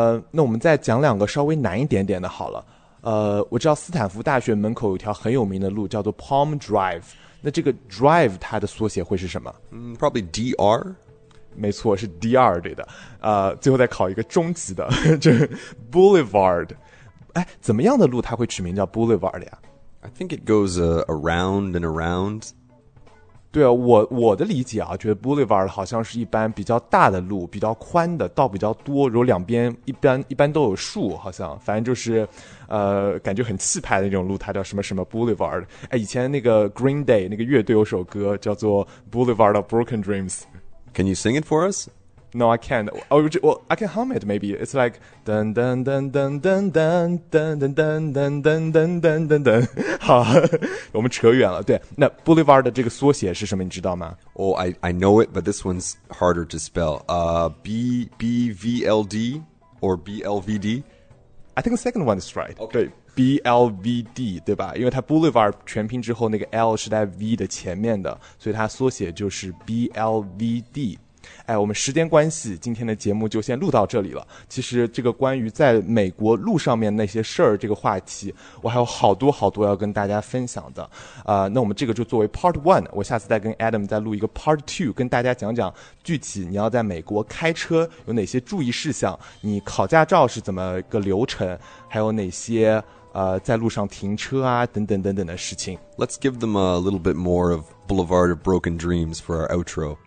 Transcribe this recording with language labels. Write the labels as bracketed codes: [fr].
[zh] 那我们再讲两个稍微难一点点的好了。我知道斯坦福大学门口有条很有名的路叫做 Palm Drive, 那这个 Drive 它的缩写会是什么？ [en] Probably D-R? [zh] 没错，是 D-R, 对的。最后再考一个终极的，就是 Boulevard。怎么样的路它会取名叫 Boulevard 呀？ [en] I think it goes around and around. [zh] 对啊，我的理解啊，觉得 Boulevard 好像是一般比较大的路，比较宽的，道比较多，然后两边一般都有树，好像反正就是，感觉很气派的那种路，它叫什么什么 Boulevard。哎，以前那个 Green Day 那个乐队有首歌叫做 Boulevard of Broken Dreams。 [en] Can you sing it for us? No, I can't. Oh, well, I can hum it, maybe. It's like... Dun, dun, dun, dun, dun, dun, dun, dun, dun, dun, dun, dun, dun, dun, dun. [zh] 好，我们扯远了。对，那 Boulevard 的这个缩写是什么，你知道吗？ [en] Oh, I know it, but this one's harder to spell. B-V-L-D or B-L-V-D? I think the second one is right. Okay. [zh] 对 ,B-L-V-D, 对吧？因为它 Boulevard 全拼之后那个 L 是在 V 的前面的，所以它缩写就是 B-L-V-D。哎，我们时间关系，今天的节目就先录到这里了。其实这个关于在美国路上面那些事儿这个话题，我还有好多好多要跟大家分享的。那我们这个就作为 part one， 我下次再跟 Adam 再录一个 part two， 跟大家讲讲具体你要在美国开车有哪些注意事项，你考驾照是怎么个流程，还有哪些在路上停车啊等等等等的事情。 [en] Let's give them a little bit more of Boulevard of Broken Dreams for our outro.